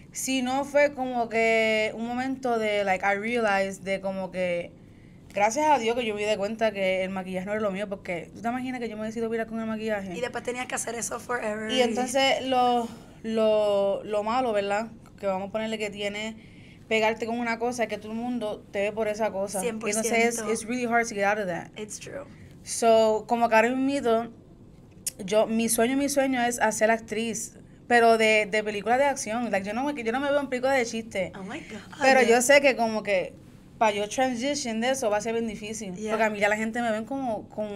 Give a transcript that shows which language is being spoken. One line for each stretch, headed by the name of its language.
Spanish: Si no, fue como que un momento de, like,
English: I realized
Spanish: de como que... Gracias a Dios que yo me di cuenta que el maquillaje no era lo mío, porque tú te imaginas que yo me he decidido virar con el maquillaje. Y después tenías que hacer eso forever. Y entonces lo malo, ¿verdad? Que vamos a ponerle que tiene pegarte con una cosa es que todo el mundo te ve por esa cosa. 100%. Y entonces
English: it's really hard to get out of that. It's true.
Spanish: So, como que ahora mismo, yo, mi sueño es hacer actriz. Pero de películas de acción. Like, yo no me veo en películas de chiste.
English: Oh my God.
Spanish: Pero yo sé que como que para yo transition de eso va a ser bien difícil.
English: Yeah.
Spanish: Porque a mí ya la gente me ven como